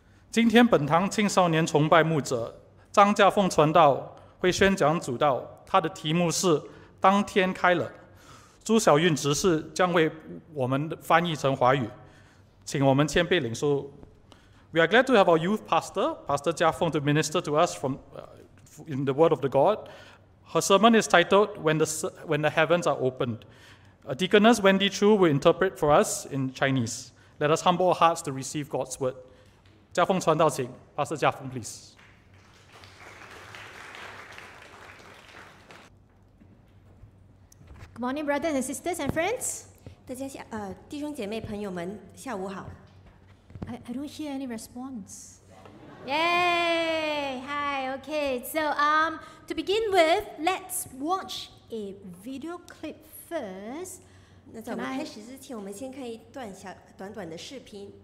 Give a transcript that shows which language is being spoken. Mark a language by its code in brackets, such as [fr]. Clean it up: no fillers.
[zh] 今天本堂青少年崇拜牧者张家凤传道会宣讲主道，他的题目是《当天开了》。朱小韵执事将为我们翻译成华语，请我们谦卑领受。 [en] We are glad to have our youth pastor, Pastor Jia Feng, to minister to us from, in the Word of the God. Her sermon is titled When the Heavens Are Opened. Deaconess Wendy Chu will interpret for us in Chinese. Let us humble our hearts to receive God's Word. Jia Feng [zh] 传道请 [en] Pastor Jia Feng, please. Good morning, brothers and sisters and friends. [zh] 大家下弟兄姐妹朋友们下午好。 [en] I don't hear any response. Yay! Hi. Okay. So to begin with, let's watch a video clip first. [zh] 那在我们开始之前，我们先看一段小短短的视频。